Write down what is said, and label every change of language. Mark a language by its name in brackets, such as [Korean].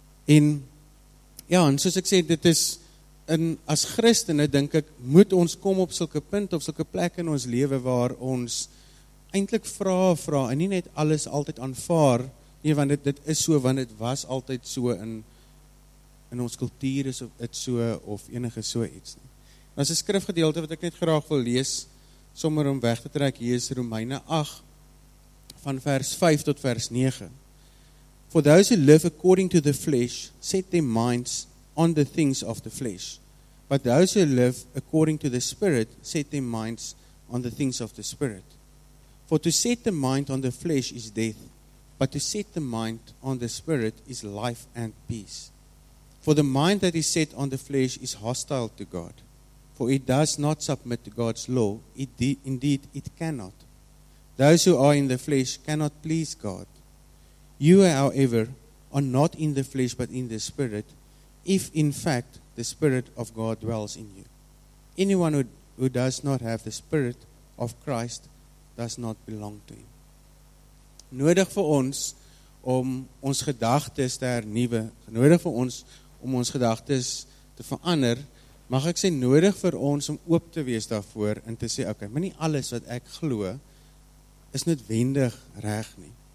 [Afrikaans] En, ja, en soos ek sê, dit is, en as christene, denk ek, moet ons kom op sulke punt, op sulke plek in ons leven waar ons, eindelijk vraag, en nie net alles altyd aanvaar, nie, want dit is so, want dit was altyd so, in ons kultuur is het so, of enige so iets. Dit is een skrifgedeelte wat ek net graag wil lees, sommer om weg te trek, hier is Romeine 8, van vers 5 tot vers 9. [English] For those who live according to the flesh, set their minds on the things of the flesh. But those who live according to the spirit, set their minds on the things of the spirit. For to set the mind on the flesh is death, but to set the mind on the spirit is life and peace. For the mind that is set on the flesh is hostile to God, for it does not submit to God's law, indeed it cannot. Those who are in the flesh cannot please God. You, however, are not in the flesh but in the spirit, if in fact the spirit of God dwells in you. Anyone who does not have the spirit of Christ does not belong to him. [Afrikaans] Nodig vir ons om ons gedagtes te hernuwe, nodig vir ons om ons gedagtes te verander, mag ek sê nodig vir ons om oop te wees daarvoor en te sê, okay, maar nie alles wat ek glo is noodwendig reg nie.